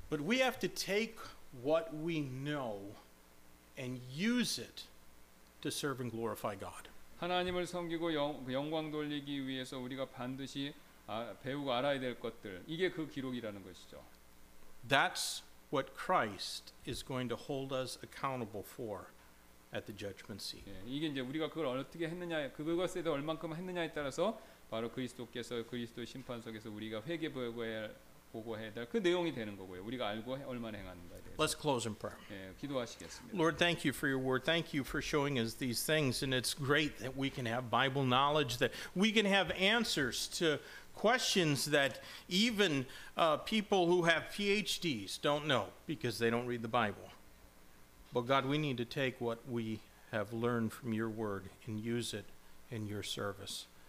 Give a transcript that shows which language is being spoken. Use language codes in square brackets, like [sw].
[en] But we have to take what we know and use it to serve and glorify God. [ko] 하나님을 섬기고 영광 돌리기 위해서 우리가 반드시 배우고 알아야 될 것들 이게 그 기록이라는 것이죠. [en] That's what Christ is going to hold us accountable for at the judgment seat. [ko] 예, 이게 이제 우리가 그걸 어떻게 했느냐, 그것에 대해 얼만큼 했느냐에 따라서 바로 그리스도께서 그리스도 심판석에서 우리가 회개 보고해야 될 그 내용이 되는 거고요. 우리가 알고 얼마나 행하는가에 대해서. [en] Let's close in prayer. [ko] 예, 기도하시겠습니다. [en] Lord, thank you for your word. Thank you for showing us these things, and it's great that we can have Bible knowledge, that we can have answers to questions that even people who have PhDs don't know because they don't read the Bible. But God, we need to take what we have learned from your word and use it in your service.